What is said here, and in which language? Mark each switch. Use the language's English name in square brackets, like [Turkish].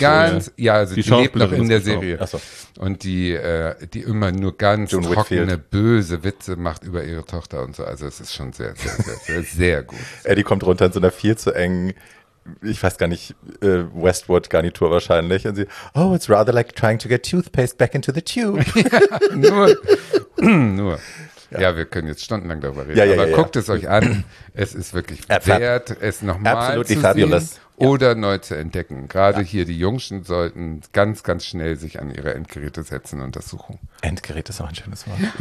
[German] ganz, so, ja, also die lebt noch in der Serie. Ach so. Und die immer nur ganz June trockene, Whitfield. Böse Witze macht über ihre Tochter und so. Also es ist schon sehr, sehr, sehr, sehr, sehr gut. Eddie kommt runter in so einer viel zu engen, ich weiß gar nicht, Westwood-Garnitur wahrscheinlich. Und sie, [English] oh, it's rather like trying to get toothpaste back into the tube. [German] nur. Ja, wir können jetzt stundenlang darüber reden, aber guckt es euch an, es ist wirklich wert, es nochmal zu sehen [English] fabulous. [German] Oder neu zu entdecken. Gerade hier, die Jungschen sollten ganz, ganz schnell sich an ihre Endgeräte setzen und das suchen. Endgeräte ist auch ein schönes Wort.